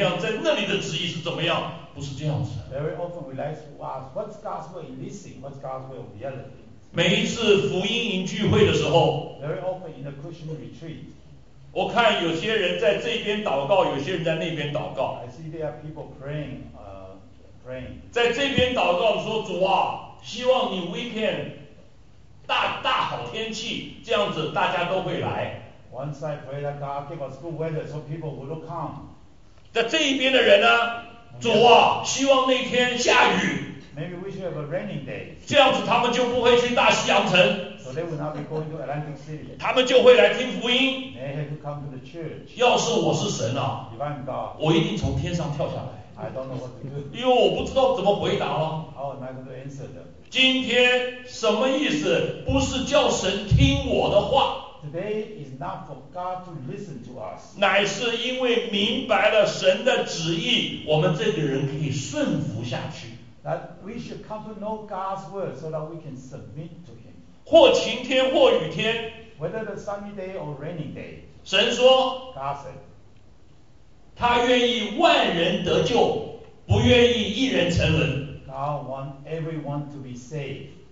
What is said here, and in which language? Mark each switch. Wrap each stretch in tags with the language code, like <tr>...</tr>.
<zh>我们最喜欢问神在这里的旨意是怎么样，在那里的旨意是怎么样。</zh> <en>Very often we like to ask, what's God's will in this thing? What's God's will in the other thing?</en> <zh>每一次福音营聚会的时候,</zh> <en>Very often in a Christian retreat,</en> <zh>我看有些人在这边祷告, 有些人在那边祷告,</zh> <en>I see there are people praying,</en> <zh>在这边祷告说主啊, 希望你weekend大好天气, 这样子大家都会来。</zh> <en>Once I pray that God give us good weather so people will come.</en> <zh>在这一边的人呢, 主啊，希望那天下雨，</zh> <en>Maybe we should have a raining day.</en> <zh>这样子他们就不会去大西洋城，</zh> <en>so they will not be going to Atlantic City.</en> <zh>他们就会来听福音。</zh> <en>They have to come to the church.</en> <zh>要是我是神啊，</zh> <en>If I'm God,</en> <zh>我一定从天上跳下来。</zh> <en>I don't know what to do.</en> <zh>因为我不知道怎么回答了。</zh> <en>How am I going to answer them?</en> <zh>今天什么意思？不是叫神听我的话。</zh> <en>Today is not for God to listen to us.</en> <zh>乃是因为明白了神的旨意， 我们这个人可以顺服下去。</zh> <en>That we should come to know God's word so that we can submit to him.</en> <zh>或晴天或雨天，</zh> <en>Whether the sunny day or rainy day.</en> <zh>神说，</zh> <en>God said,</en> <zh>他愿意万人得救， 不愿意一人沉沦。</zh> <en>God wants everyone to be saved.</en>